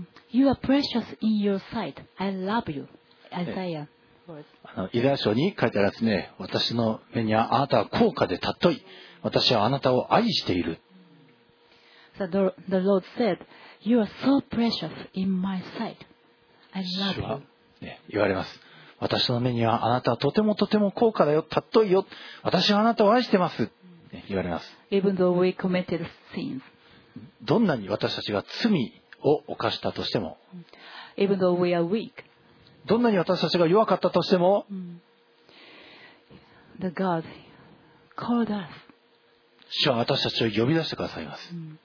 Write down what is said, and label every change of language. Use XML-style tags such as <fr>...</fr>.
<en>You are precious in your sight. I love you, Isaiah.</en> <ja>イザヤ書に書いてあるんですね。私の目にはあなたは高価で尊い。私はあなたを愛している。</ja> <en>So the Lord said. You are so precious in my sight. I love you.</en> <ja>主は、ね、言われます。私の目にはあなたはとてもとても高価だよ、尊いよ。私はあなたを愛してます。ね、言われます。</ja> <en>Even though we committed sins.</en> <ja>どんなに私たちが罪を犯したとしても。</ja> <en>Even though we are weak.</en> <ja>どんなに私たちが弱かったとしても。</ja> <en>The God called us.</en> <ja>主は私たちを呼び出してくださいます。</ja>